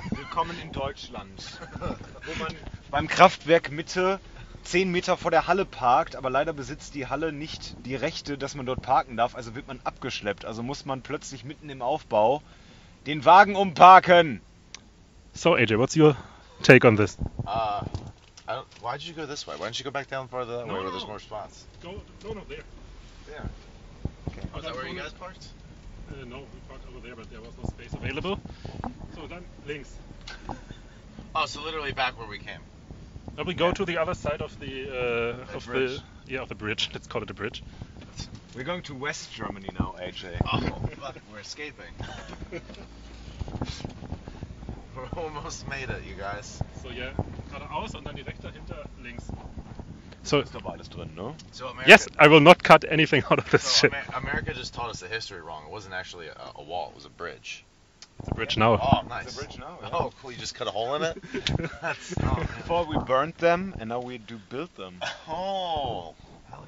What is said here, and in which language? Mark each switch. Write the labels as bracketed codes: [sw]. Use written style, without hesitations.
[de] Willkommen in Deutschland. Wo man beim Kraftwerk Mitte 10 Meter vor der Halle parkt, aber leider besitzt die Halle nicht die Rechte, dass man dort parken darf, also wird man abgeschleppt. Also muss man plötzlich mitten im Aufbau den Wagen umparken. [en] So AJ, what's your take on this? Why did you go this way? Why don't you go back down further that way where there's more spots? Go there. Okay. Oh, is that where you guys parked? No, we parked over there, but there was no space available. So then [de] links. [en] Oh, so literally back where we came. Now we go to the other side of the bridge. Let's call it a bridge. We're going to West Germany now, AJ. Oh, but we're escaping. We almost made it, you guys. So yeah, [de] geradeaus und dann direkt dahinter links. So ist aber alles drin, ne? [en] So America, yes, I will not cut anything out of this so shit. America just taught us the history wrong. It wasn't actually a wall, it was a bridge. It's a bridge now. Oh, nice. It's a bridge now. Yeah. Oh, cool. You just cut a hole in it? That's before we burnt them, and now we do build them. Oh. Hell